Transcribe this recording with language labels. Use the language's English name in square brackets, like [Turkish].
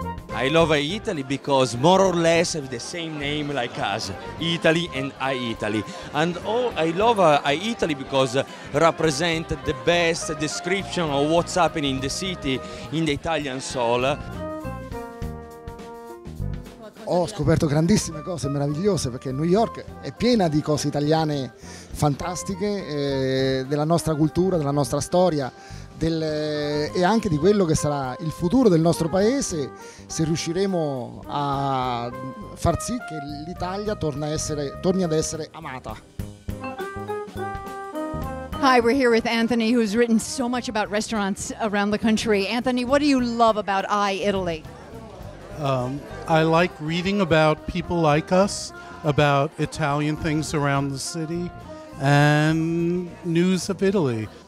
[English] I love Italy because more or less have the same name like us, Italy and I, Italy. And I love I, Italy because represent the best description of what's happening in the city, in the Italian soul. [Italian] Ho scoperto grandissime cose meravigliose, perché New York è piena di cose italiane fantastiche, della nostra cultura, della nostra storia, e anche di quello che sarà il futuro del nostro paese, se riusciremo a far sì che l'Italia torni ad essere amata. [English] Hi, we're here with Anthony, who's written so much about restaurants around the country. Anthony, what do you love about I, Italy? I like reading about people like us, about Italian things around the city, and news of Italy.